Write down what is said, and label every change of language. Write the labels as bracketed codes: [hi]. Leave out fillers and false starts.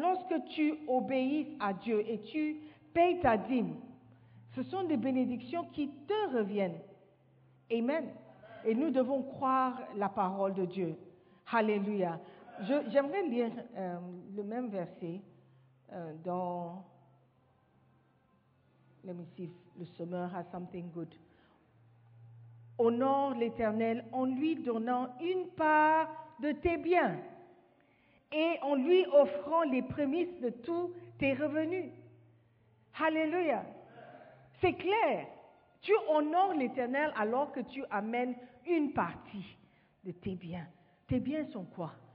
[fr] Lorsque tu obéis à Dieu et tu payes ta dîme, ce sont des bénédictions qui te reviennent. Amen. Et nous devons croire la parole de Dieu. Hallelujah. J'aimerais lire le même verset dans... [en] Let me see if the summer has something good. [fr] Honore l'Éternel en lui donnant une part de tes biens et en lui offrant les prémices de tous tes revenus. Hallelujah. C'est clair. Tu honores l'Éternel alors que tu amènes une partie de tes biens. Tes biens sont quoi?